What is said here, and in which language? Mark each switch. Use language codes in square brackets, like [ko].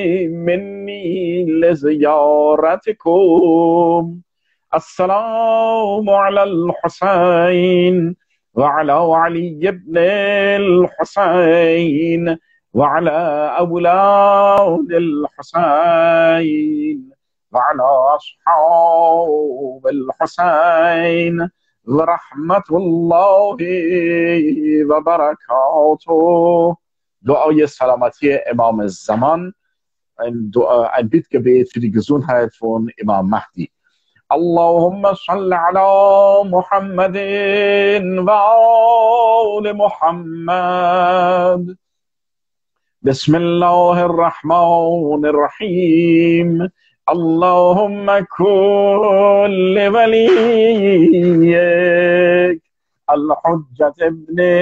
[ar] مني لزيارتكم السلام على الحسين وعلى علي بن الحسين وعلى أولاد الحسين وعلى أصحاب الحسين ورحمة الله وبركاته. [fa] دعاي سلامتي إمام الزمان. [de] Ein Bittgebet für die Gesundheit von Imam Mahdi. [ar] اللهم صل على محمد وآل محمد. بسم الله الرحمن الرحيم. اللهم كن لوليك الحجة ابن